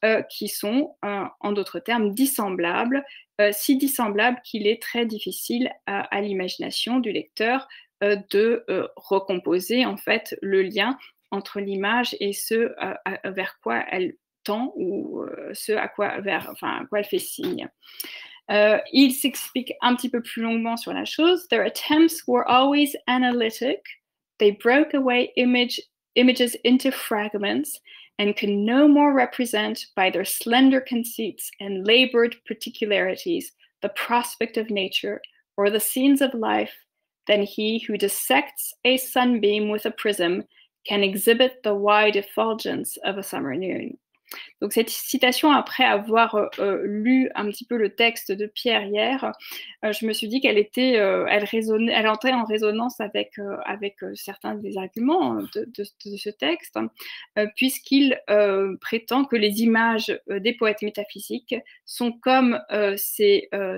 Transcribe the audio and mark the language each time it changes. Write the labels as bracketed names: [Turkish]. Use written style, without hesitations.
[French] qui sont, en d'autres termes, dissemblables, si dissemblables qu'il est très difficile à l'imagination du lecteur de recomposer en fait le lien entre l'image et ce vers quoi elle tend, ou ce à quoi, à quoi elle fait signe. Il s'explique un petit peu plus longuement sur la chose. [English] Their attempts were always analytic. They broke away images into fragments and can no more represent by their slender conceits and labored particularities the prospect of nature or the scenes of life than he who dissects a sunbeam with a prism can exhibit the wide effulgence of a summer noon. [French] Donc cette citation, après avoir lu un petit peu le texte de Pierre hier, je me suis dit qu'elle était, elle entrait en résonance avec certains des arguments de ce texte, puisqu'il prétend que les images des poètes métaphysiques sont comme ces